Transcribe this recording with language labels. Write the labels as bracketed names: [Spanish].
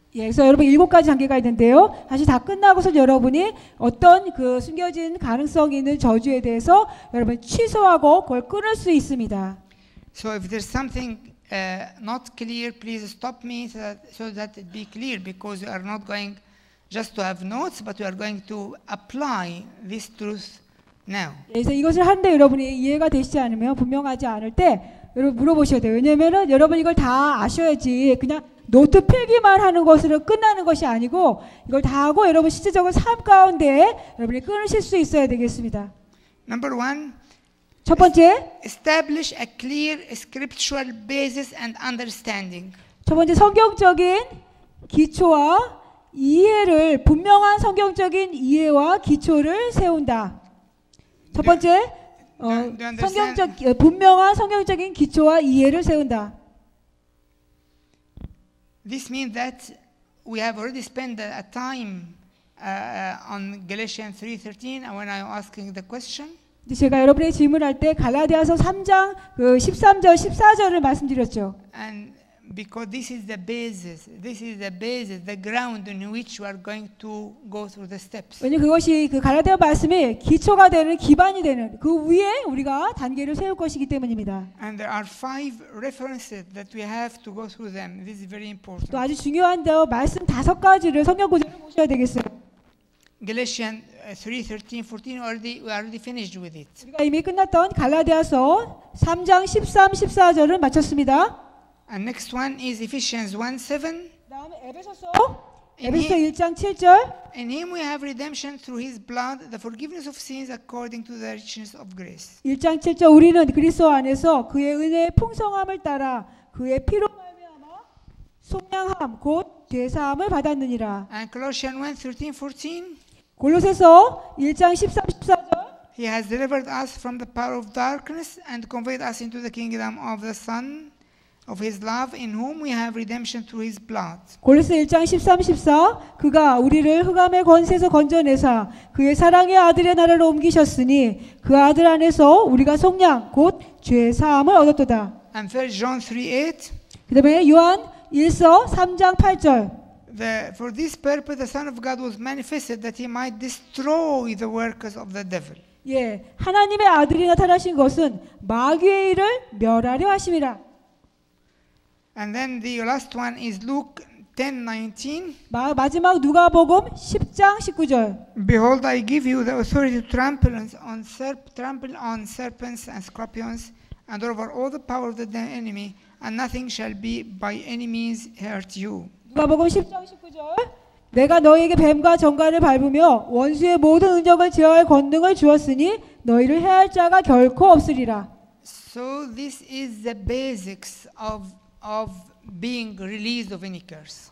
[Korean] 예, 그래서 여러분 일곱 가지 단계가 있는데요. 다시 다 끝나고서 여러분이 어떤 그 숨겨진 가능성 있는 저주에 대해서 여러분 취소하고 그걸 끊을 수 있습니다. [English] So if there's something not clear, please stop me so that it be clear, because we are not going just to have notes, but we are going to apply this truth now. [Korean] 그래서 이것을 하는데 여러분이 이해가 되시지 않으면 분명하지 않을 때 여러분 물어보셔야 돼요. 왜냐하면은 여러분 이걸 다 아셔야지 그냥 노트 필기만 하는 것으로 끝나는 것이 아니고 이걸 다 하고 여러분 실제적인 삶 가운데 여러분이 끊으실 수 있어야 되겠습니다. [English] Number one. [Korean] 첫 번째. [English] Establish a clear scriptural basis and understanding. [Korean] 첫 번째 성경적인 기초와 이해를 분명한 성경적인 이해와 기초를 세운다. 첫 번째 성경적 분명한 성경적인 기초와 이해를 세운다. [English] This means that we have already spent a time on Galatians 3:13 and when I was asking the question. [Korean] 제가 여러분에게 질문할 때 갈라디아서 3장 그 13절 14절을 말씀드렸죠. [English] And because this is the basis, the ground on which we are going to go through the steps. [Korean] 왜냐 그것이 그 갈라디아 말씀이 기초가 되는 기반이 되는 그 위에 우리가 단계를 세울 것이기 때문입니다. [English] And there are five references that we have to go through them. This is very important. [Korean] 또 아주 중요한 데 말씀 다섯 가지를 성경 구절을 보셔야 되겠어요. [English] Galatians 3:13, 14. We already finished with it. [Korean] 우리가 이미 끝났던 갈라디아서 3장 13, 14절을 마쳤습니다. [English] And next one is Ephesians 1:7. [Korean] 다음 에베소서 에베소서 1장 7절. [English] In him we have redemption through his blood, the forgiveness of sins according to the richness of grace. [Korean] 1장 7절 우리는 그리스도 안에서 그의 은혜의 풍성함을 따라 그의 피로 말미암아 속량함 곧 죄사함을 받았느니라. [English] And Colossians 1:13-14. [Korean] 골로새서 1장 13, 14절. [English] He has delivered us from the power of darkness and conveyed us into the kingdom of the Son. Of his love in whom we have redemption through his blood. [Korean] 골로새서 1장 13, 14 그가 우리를 흑암의 권세에서 건져내사 그의 사랑의 아들의 나라로 옮기셨으니 그 아들 안에서 우리가 속량 곧 죄 사함을 얻었도다. [English] And 1 John 3:8. [Korean] 그다음에 요한 1서 3장 8절. [English] For this purpose the Son of God was manifested that he might destroy the works of the devil. [Korean] 예, 하나님의 아들이 나타나신 것은 마귀의 일을 멸하려 하심이라. [English] And then the last one is Luke 10:19. [Korean] 마지막 누가복음 10장 19절. [English] Behold, I give you the authority to trample on serpents and scorpions, and over all the power of the enemy, and nothing shall be by any means hurt you. [Korean] 누가복음 10장 19절. 내가 너희에게 뱀과 전갈을 밟으며 원수의 모든 능력을 제어할 권능을 주었으니 너희를 해할 자가 결코 없으리라. [English] So this is the basics of being released of any curse.